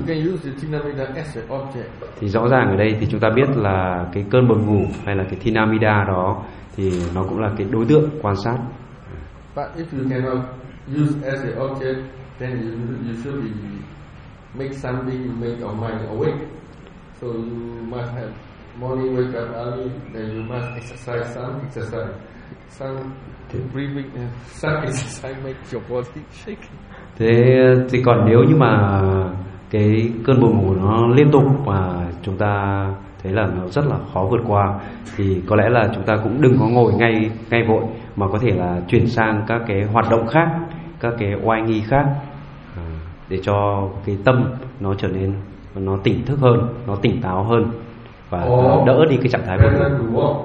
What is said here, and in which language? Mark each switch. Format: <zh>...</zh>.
<en>You can use the tinamida as an object.</en> <vi>Thì rõ ràng ở đây thì chúng ta biết là cái cơn buồn ngủ hay là cái tinamida đó thì nó cũng là cái đối tượng quan sát.</vi> <en>But if you cannot use as an object, then you should make something to make your mind awake. So you must have morning wake up early, then you must exercise some breathing, some exercise make your body shake.</en> <vi>Thế thì còn nếu như mà cái cơn buồn ngủ nó liên tục mà chúng ta thấy là nó rất là khó vượt qua thì có lẽ là chúng ta cũng đừng có ngồi ngay vội mà có thể là chuyển sang các cái hoạt động khác, các cái oai nghi khác để cho cái tâm nó trở nên nó tỉnh thức hơn, nó tỉnh táo hơn và đỡ đi cái trạng thái buồn ngủ.</vi>